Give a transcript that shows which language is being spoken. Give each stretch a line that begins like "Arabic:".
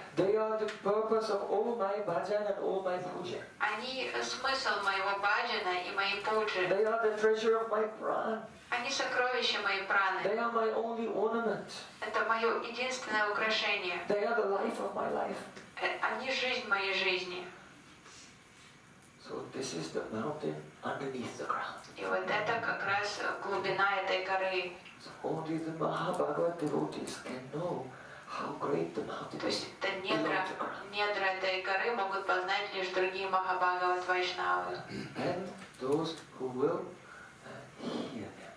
English: They are the purpose of all my bhajan and all my puja. They are the treasure of my pran.
Russian: Они сокровища мои праны.
English: They are my only ornament.
Russian: Это мое единственное украшение.
English: They are the life of my life.
Russian: Они жизнь моей жизни.
English: So this is the mountain underneath the ground.
Russian: И вот это как раз глубина этой горы.
English: So only the Mahabharata devotees can know how great the mountain is.
Russian: То есть недра этой горы могут познать лишь другие Махабхагават Вайшнавы.
English: And those who will hear.